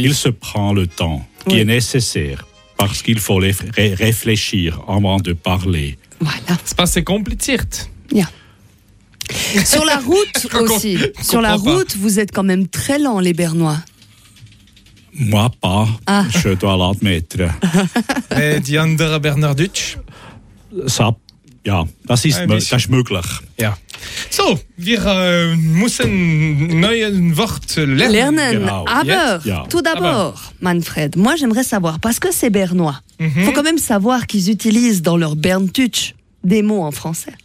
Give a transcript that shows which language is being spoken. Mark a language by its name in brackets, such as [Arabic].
[French] Il se prend le temps qui est nécessaire parce qu'il faut réfléchir avant de parler. Voilà. C'est pas assez compliqué. Yeah. Sur la route aussi. Sur la route, vous êtes quand même très lent, les Bernois. Moi, pas. Ah. Je dois l'admettre. [German] Et die andere Berner Deutsch? Ça, ja, das ist möglich. Ja. So, wir müssen neue Worte lernen. [French] Aber, tout d'abord, Manfred, moi j'aimerais savoir, parce que c'est Bernois, faut quand même savoir qu'ils utilisent dans leur Berndeutsch des mots en français.